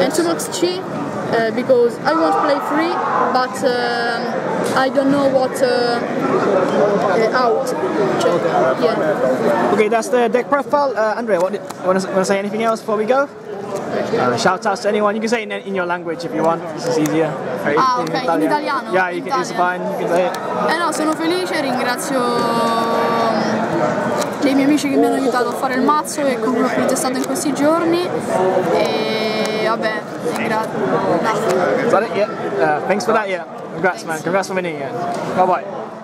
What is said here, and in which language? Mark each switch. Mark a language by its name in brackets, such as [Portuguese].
[English] And 2 Max Chi. Because I want to play 3, but I don't know what out. Okay. Yeah. Okay, that's the deck profile. Andrea, what want to say anything else before we go? Shout out to anyone. You can say it in your language if you want. This is easier. [Italian] Okay, in italiano. [English] Yeah, you can, it's fine. You can say it. [Italian] No, sono felice. Ringrazio i miei amici che mi hanno aiutato a fare il mazzo e con quello che ho testato in questi giorni. E vabbè, grazie. [English] Is that it? Yeah. Thanks for that. Yeah. Congrats, man. Congrats for winning. Yeah. Bye bye.